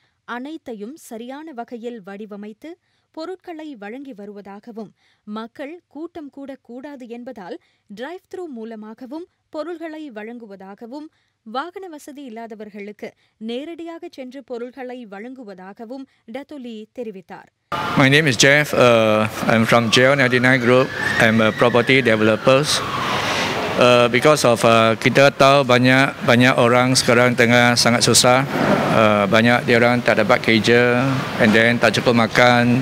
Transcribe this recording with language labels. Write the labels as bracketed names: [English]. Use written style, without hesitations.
[Tamil] அனைத்தையும் சரியான வகையில் வடிவமைத்து பொருட்களை வழங்கி வருவதாகவும் மக்கள் கூட்டம் கூடக்கூடாது என்பதால் டிரைவ் த்ரூ மூலமாகவும் பொருள்களை வழங்குவதாகவும் வாகன வசதி இல்லாதவர்களுக்கு நேரடியாக சென்று பொருள்களை வழங்குவதாகவும் டத்துலி தெரிவித்தார். [English] My name is Jeff. I'm from JL 99 Group. I'm a property developers. Because of [Malay] kita tahu banyak orang sekarang tengah sangat susah. Banyak dia orang tak dapat kerja [English] and then [Malay] tak cukup makan.